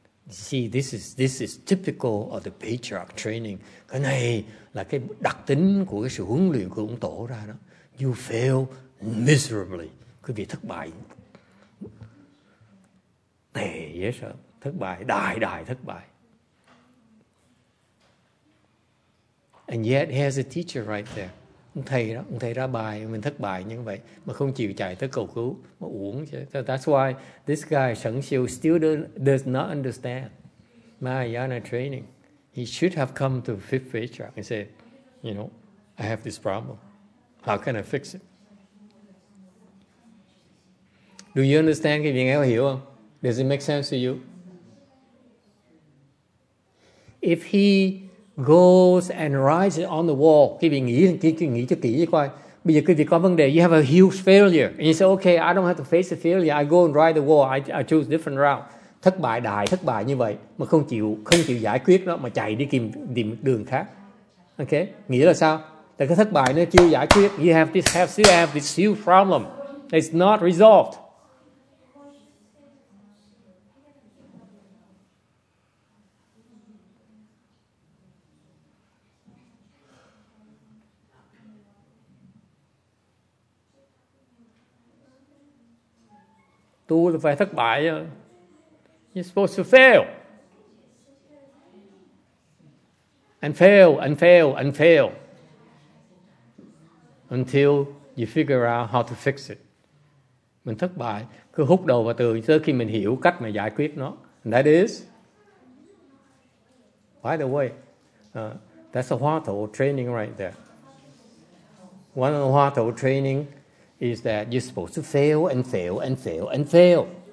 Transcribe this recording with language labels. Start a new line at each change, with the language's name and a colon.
English: See, this is typical of the patriarch training.
Vietnamese: Cái này là cái đặc tính của cái sự huấn luyện của ông tổ ra đó. You fail miserably. Quý vị thất bại. Tệ dễ sợ. Thất bại, đại thất bại.
English: And yet he has a teacher right there.
Vietnamese: Ông thầy ra bài, mình thất bại như vậy. Mà không chịu chạy tới cầu cứu. Mà uống chứ.
English: So that's why this guy, Shen Xiu, still does not understand Mahayana training. He should have come to Fifth Vajra and said, you know, I have this problem. How can I fix it? Do you understand?
Vietnamese: Cái vị nghe có hiểu không?
English: Does it make sense to you? If he goes and writes on the wall.
Vietnamese: Quý vị nghĩ cho kỹ coi. Bây giờ quý vị có vấn đề. You have a huge failure.
English: And you say, okay, I don't have to face the failure. I go and write the wall. I choose different route.
Vietnamese: Thất bại, đại thất bại như vậy. Mà không chịu giải quyết nó. Mà chạy đi tìm đường khác. Okay? Nghĩa là sao? Tại cái thất bại nó chưa giải quyết.
English: You have this, still have this huge problem. It's not resolved.
Vietnamese: Tu là phải thất bại. You're supposed to fail.
English: And fail. Until you figure out how to fix it.
Vietnamese: Mình thất bại. Cứ hút đầu vào tường tới khi mình hiểu cách mà giải quyết nó.
English: And that is, by the way, that's a Hoa Thổ training right there. One of the Hoa Thổ training is that you're supposed to fail and fail and fail and fail.